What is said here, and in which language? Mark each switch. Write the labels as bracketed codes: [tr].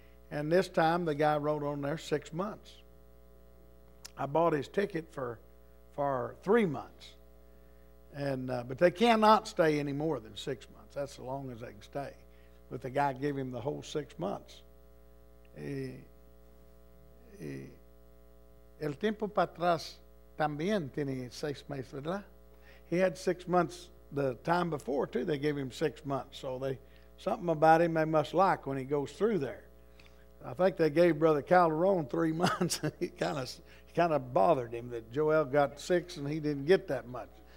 [en] And this time, the guy wrote on there 6 months. I bought his ticket for 3 months. But they cannot stay any more than 6 months. That's as long as they can stay. But the guy gave him the whole 6 months. [es] El tiempo para atrás también tiene 6 meses, ¿verdad? [en] He had 6 months the time before, too. They gave him 6 months. So something about him they must like when he goes through there. I think they gave Brother Calderon 3 months. He kind of bothered him that Joel got six and he didn't get that much.